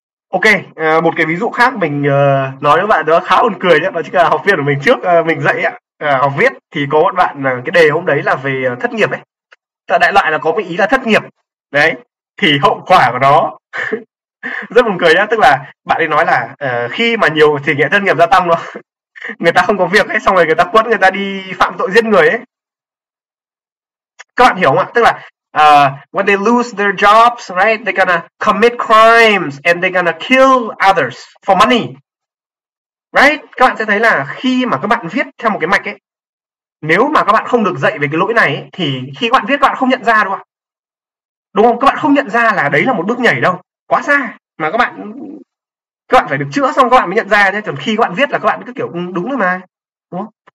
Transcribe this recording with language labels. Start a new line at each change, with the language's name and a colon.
Vietnamese: Ok, một cái ví dụ khác mình nói với bạn đó khá buồn cười nhé, đó chính là học viên của mình trước mình dạy ạ, học viết thì có một bạn cái đề hôm đấy là về thất nghiệp ấy. Tại đại loại là có cái ý là thất nghiệp. Đấy, thì hậu quả của nó rất buồn cười nhá, tức là bạn ấy nói là khi mà nhiều thì nghĩa thất nghiệp gia tăng luôn. Người ta không có việc ấy, xong rồi người ta quất người ta đi phạm tội giết người ấy. Các bạn hiểu không ạ? Tức là
English: when they lose their jobs, right, they're gonna commit crimes and they're gonna kill others for money. Right?
Vietnamese: Các bạn sẽ thấy là khi mà các bạn viết theo một cái mạch ấy, nếu mà các bạn không được dạy về cái lỗi này ấy, thì khi các bạn viết các bạn không nhận ra đâu ạ. Đúng không? Các bạn không nhận ra là đấy là một bước nhảy đâu. Quá xa mà các bạn phải được chữa xong các bạn mới nhận ra nhé, còn khi các bạn viết là các bạn cứ kiểu đúng rồi mà đúng không?